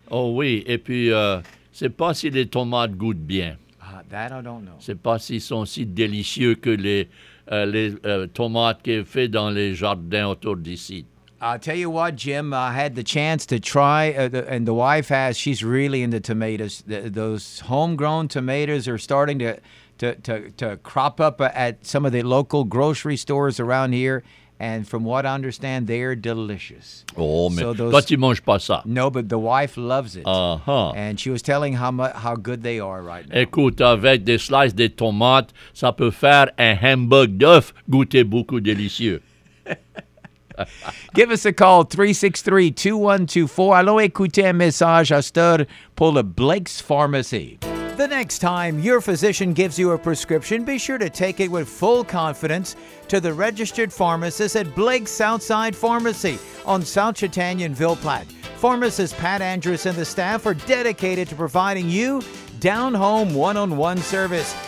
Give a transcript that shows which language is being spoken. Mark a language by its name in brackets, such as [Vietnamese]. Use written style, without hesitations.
[French] Oh oui, et puis c'est pas si les tomates goûtent bien. [English] That I don't know. [French] C'est pas si sont si délicieux que les tomates qui est fait dans les jardins autour d'ici. [English] I'll tell you what, Jim, I had the chance to try, and the wife has, she's really into tomatoes. Those homegrown tomatoes are starting to crop up at some of the local grocery stores around here, and from what I understand, they're delicious. [French] Oh, mais so toi, tu manges pas ça. [English] No, but the wife loves it. Uh-huh. And she was telling how good they are right now. [French] Écoute, avec des slices de tomates, ça peut faire un hamburger d'œuf goûter beaucoup délicieux. [English] Give us a call, 363-2124. [French] Allons écouter un message à Star pour le Blake's Pharmacy. [English] The next time your physician gives you a prescription, be sure to take it with full confidence to the registered pharmacist at Blake's Southside Pharmacy on South Chatania and Villeplatte. Pharmacist Pat Andrews and the staff are dedicated to providing you down-home one-on-one service.